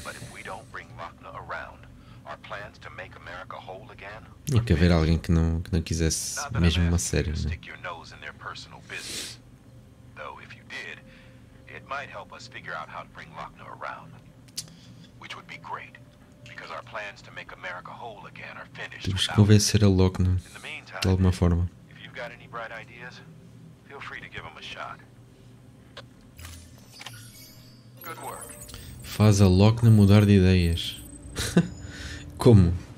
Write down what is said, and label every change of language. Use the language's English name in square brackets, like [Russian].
[English] But if we don't bring Lochner around, our plans to make America whole again. [Portuguese] Tinha que haver alguém que não quisesse mesmo uma série, né? [English] Stick your nose in their personal business. Though if you did, it might help us figure out how to bring Lochner around. Which would be great, because our plans to make America whole again are finished. [Portuguese] Temos que convencer a Lochner de alguma forma. [English] If you've got any bright ideas, feel free to give them a shot. Good work. [Portuguese] Faz a Lochner mudar de ideias. Como?